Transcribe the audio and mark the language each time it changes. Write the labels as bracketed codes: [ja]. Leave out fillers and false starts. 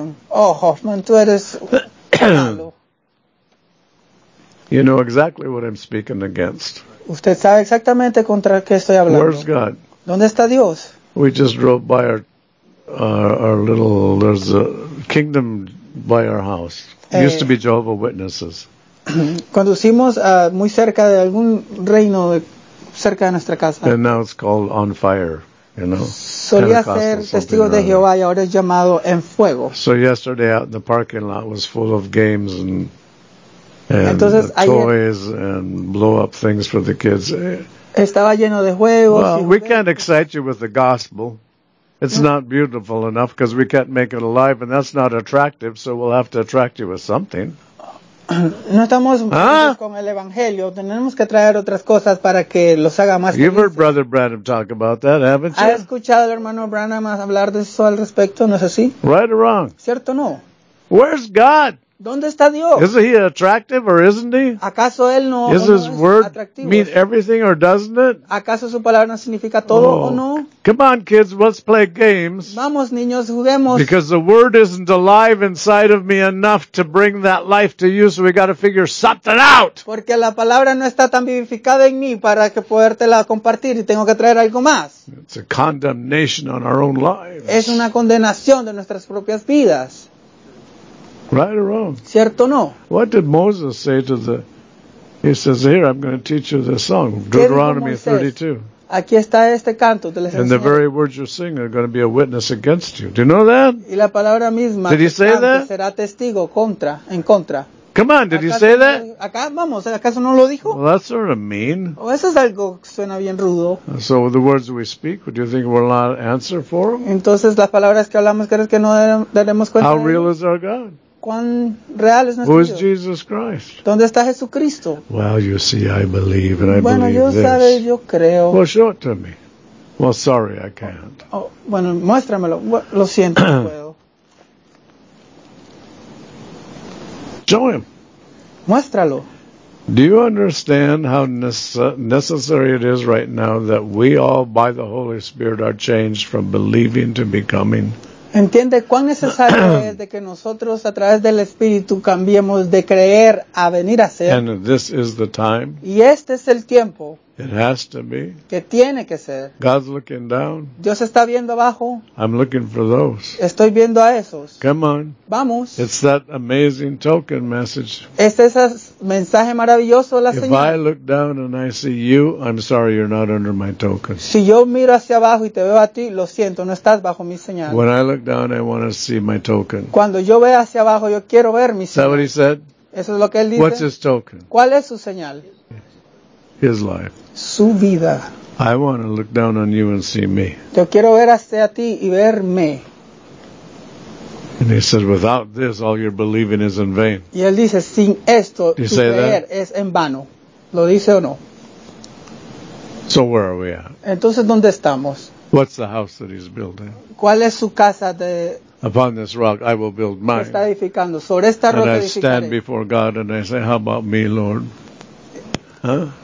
[es] Oh, Hoffman, tú eres [en] you know exactly what I'm speaking against. [es] Usted sabe exactamente contra qué estoy hablando. [en] Where's God? [es] ¿Dónde está Dios? [en] We just drove by our little, there's a kingdom by our house. It used to be Jehovah's Witnesses. [es] Conducimos muy cerca de algún reino cerca de nuestra casa. [en] And now it's called On Fire, you know. [es] Solía ser testigo de Jehová y ahora es llamado en fuego. [en] So yesterday out in the parking lot was full of games and [es] entonces, [en] toys and blow up things for the kids. [es] Estaba lleno de juegos. [en] Well, we can't excite you with the gospel. It's not beautiful enough because we can't make it alive, and that's not attractive. So we'll have to attract you with something. [es] No estamos con el evangelio. Tenemos que traer otras cosas para que los haga más. [en] You've heard Brother Branham talk about that, haven't you? [es] ¿Has escuchado al hermano Branham hablar de eso al respecto? ¿No es así? [en] Right or wrong? [es] Cierto, no. [en] Where's God? [es] ¿Dónde está Dios? [en] Isn't he attractive or isn't he? [es] ¿Acaso él no, [en] is his [es] no [en] word [es] attractivo? [en] Mean everything or doesn't it? [es] ¿Acaso su palabra no significa todo o no? [en] Come on, kids, let's play games. [es] Vamos, niños, juguemos. [en] Because the word isn't alive inside of me enough to bring that life to you, so we got to figure something out. [es] Porque la palabra no está tan vivificada en mí para que podértela compartir y tengo que traer algo más. [en] It's a condemnation on our own lives. [es] Es una condenación de nuestras propias vidas. [en] Right or wrong? [es] Cierto, no. [en] What did Moses say to the... He says, here, I'm going to teach you this song, Deuteronomy 32. [es] Aquí está este canto. And enseñé. [en] The very words you sing are going to be a witness against you. Do you know that? [es] Y la palabra misma, [en] did he say that? [es] Será testigo contra, en contra. [en] Come on, did he say that? [es] Acá, vamos, ¿acaso no lo dijo? [en] Well, that's sort of mean. [es] O eso es algo que suena bien rudo. [en] So the words we speak, do you think we'll not answer for them? [es] Entonces, las palabras que hablamos, ¿crees que no daremos cuenta? [en] How real is our God? [es] ¿Cuán real es nuestro [en] Dios? Who is Jesus Christ? [es] ¿Dónde está Jesucristo? [en] Well, you see, I believe, and I [es] bueno, [en] believe [es] yo [en] this. [es] Sabe, yo creo. [en] Well, show it to me. Well, sorry, I can't. [es] Oh, bueno, muéstramelo. Lo siento, no puedo. [en] Show him. [es] Muéstralo. [en] Do you understand how necessary it is right now that we all, by the Holy Spirit, are changed from believing to becoming? [es] ¿Entiende cuán necesario es de que nosotros a través del Espíritu cambiemos de creer a venir a ser? [en] And this is the time. [es] Y este es el tiempo. [en] It has to be. [es] Que tiene que ser. [en] God's looking down. [es] Dios está viendo abajo. [en] I'm looking for those. [es] Estoy viendo a esos. [en] Come on. [es] Vamos. [en] It's that amazing token message. [es] Es ese mensaje maravilloso de la señora. [en] If I look down and I see you, I'm sorry, you're not under my token. [es] Si yo miro hacia abajo y te veo a ti, lo siento, no estás bajo mi señal. [en] When I look down, I want to see my token. [es] Cuando yo veo hacia abajo, yo quiero ver mi señal. [en] Is that what he said? [es] Eso es lo que él dice. [en] What's his token? [es] ¿Cuál es su señal? [en] His life. [es] Su vida. [en] I want to look down on you and see me. [es] Yo quiero ver hacia ti y verme. [en] And he says, without this, all your believing is in vain. [es] Y él dice, sin esto, tu creer es en vano. ¿Lo dice o no? [en] So where are we at? [es] Entonces, ¿dónde estamos? [en] What's the house that he's building? [es] ¿Cuál es su casa de... [en] Upon this rock I will build mine. [es] Está edificando. Sobre esta roca [en] edificaré. And I stand before God and I say, how about me, Lord? Huh?